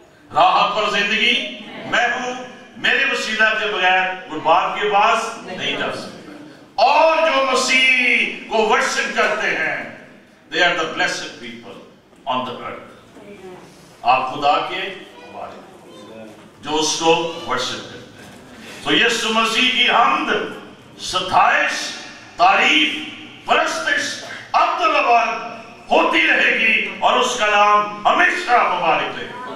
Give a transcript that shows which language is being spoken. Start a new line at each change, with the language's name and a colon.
Urdu: راہ پر زندگی میں ہوں, میرے وسیلہ کے بغیر وہ باپ کے پاس نہیں جا سکتا. اور جو مسیح کو ورشپ کرتے ہیں,
English: they are the blessed people on the earth.
Urdu: آپ خدا کے مبارک جو اس کو ورشپ کرتے ہیں. تو یسوع مسیح کی حمد, ستائش, تعریف, پرستش اب تک ابد ہوتی رہے گی, اور اس کا نام ہمیشہ مبارک رہے.